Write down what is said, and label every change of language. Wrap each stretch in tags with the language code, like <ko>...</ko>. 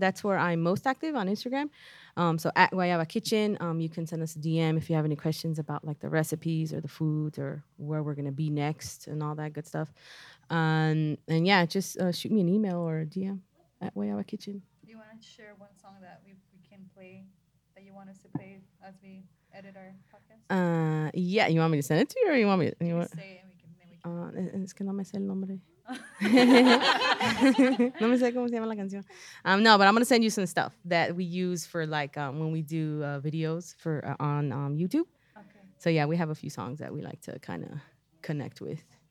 <en>That's where I'm most active, on Instagram. So at guayabakitchen, you can send us a DM if you have any questions about like the recipes or the food or where we're going to be next and all that good stuff. And yeah, just shoot me an email or a DM at guayabakitchen. Share one song that we can play that you want us to play as we edit our podcast? Yeah, you want me to send it to you or you want me to say it and we can</en> <es>es que no me sé el nombre. No me sé cómo se llama la canción.</es> <en>No, but I'm going to send you some stuff that we use for like when we do videos for on YouTube. Okay. So yeah, we have a few songs that we like to kind of connect with.</en>